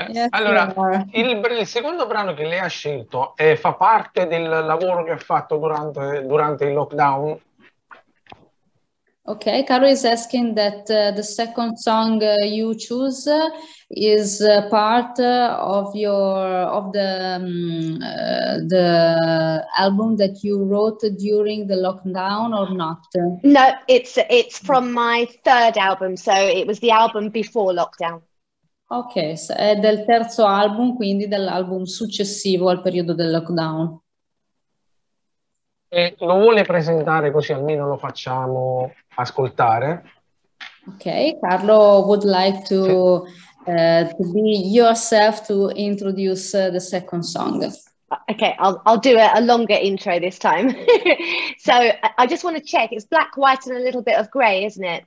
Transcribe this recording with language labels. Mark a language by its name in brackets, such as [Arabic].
[Italian] Allora, il secondo brano che lei ha scelto fa parte del lavoro che ha fatto durante il lockdown? [English] Okay, Carlo is asking that the second song you choose is part of the album that you wrote during the lockdown or not? No, it's from my third album, so it was the album before lockdown. [Italian] Ok, so è del terzo album, quindi dell'album successivo al periodo del lockdown. E lo vuole presentare così almeno lo facciamo ascoltare? [English] Okay, Carlo would like to be yourself to introduce the second song. Okay, I'll do a longer intro this time. So I just want to check. It's black, white, and a little bit of grey, isn't it?